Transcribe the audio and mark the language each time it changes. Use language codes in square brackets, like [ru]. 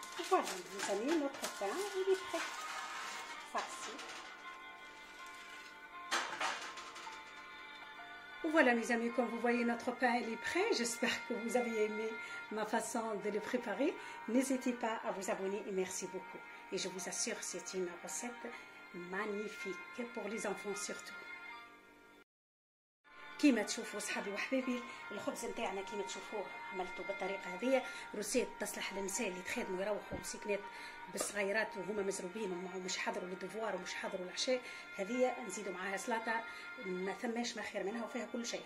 [fr] فوالا نسمي نوتخ بان ولي بخي فاسي. Voilà mes amis, comme vous voyez notre pain est prêt. J'espère que vous avez aimé ma façon de le préparer. N'hésitez pas à vous abonner et merci beaucoup. Et je vous assure, c'est une recette magnifique pour les enfants surtout. [ar] كيما تشوفوا صحابي وحبيبي الخبز نتاعنا كيما تشوفوه عملته بالطريقه هذه، روسيت تصلح للنساء اللي تخدموا يروحوا مسكنات بالصغيرات وهما مزروبين ومش حضروا للدفوار ومش حضروا العشاء. هذه نزيدوا معاها سلطه ما ثماش ما خير منها وفيها كل شيء.